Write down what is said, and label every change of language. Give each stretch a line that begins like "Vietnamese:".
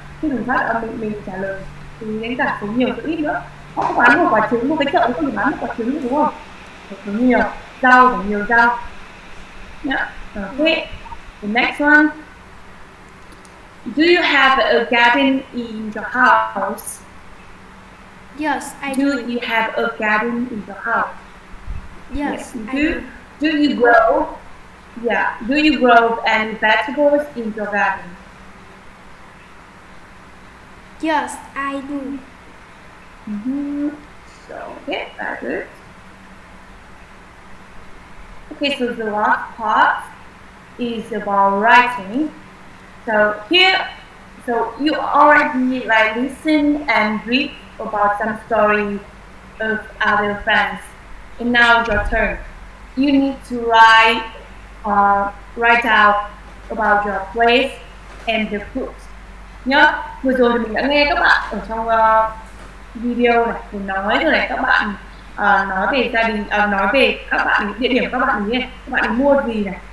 Vietnamese: Khi mình phát âm mình trả lời thì đánh giá cũng nhiều cũng ít nữa. Họ có bán một quả trứng, một cái chợ cũng chỉ bán một quả trứng đúng không? Một cái nhiều rau, một nhiều rau.
English: Yeah. Okay, the next one. Do you have a garden in your house? Yes, I do. Do you have a garden in your house? Yes, do. Do you grow? Yeah, do you grow any vegetables in your garden? Yes, I do. Mm-hmm. So, okay, that's it. Okay, so the last part is about writing. So here, so you already like listen and read about some story of other friends. And now your turn. You need to write out about your place and the food.
Vietnamese: Nhớ, vừa rồi thì mình đã nghe các bạn ở trong video này mình nói rồi này, các bạn nói về gia đình, nói về các bạn địa điểm các bạn ý này, các bạn mua gì này.